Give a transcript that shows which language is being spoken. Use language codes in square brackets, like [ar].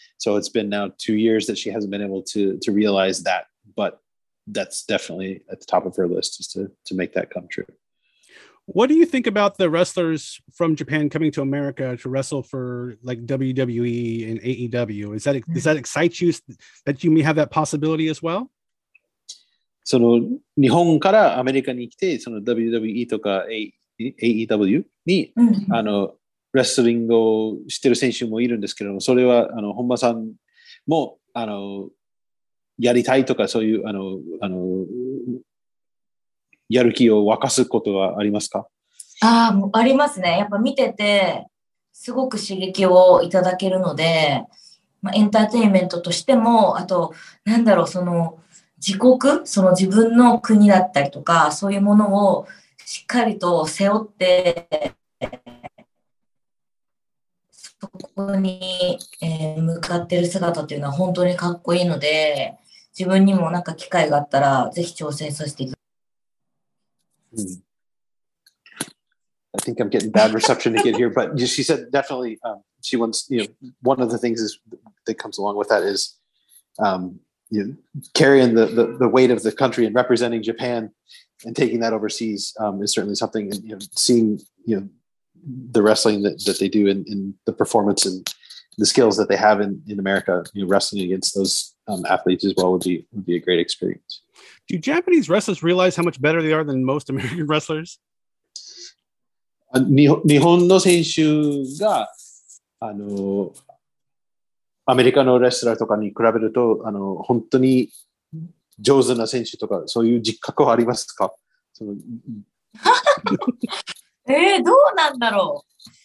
[en] So it's been now 2 years that she hasn't been able to realize that, but that's definitely at the top of her list is to make that come true. What do you think about the wrestlers from Japan coming to America to wrestle for like WWE and AEW? Does that excite you that you may have that possibility as well? [ja] その日本からアメリカに来て、その WWE とか AEW に、うん、あのレスリングをしている選手もいるんですけども、それはあの本間さんもあのやりたいとか、そういうあのやる気を沸かすことはありますか？ありますね。やっぱ見てて、すごく刺激をいただけるので、まあ、エンターテインメントとしても、あと、なんだろう、その、自国、その自分の国だったりとか、そういうものをしっかりと背負って、そこに向かってる姿っていうのは本当にかっこいいので、自分にもなんか機会があったら、ぜひ挑戦させていただきたい。 [en] I think I'm getting bad reception to get here, but she said definitely, she wants, you know, one of the things is, that comes along with that is, you know, carrying the weight of the country and representing Japan and taking that overseas is certainly something, and you know, seeing, you know, the wrestling that they do in the performance and the skills that they have in America, you know, wrestling against those athletes as well would be a great experience. Do Japanese wrestlers realize how much better they are than most American wrestlers? [ja] 日本の選手が、あの、アメリカのレスラーとかに比べると、あの、本当に上手な選手とか、そういう実感はありますか？そのどうなんだろう。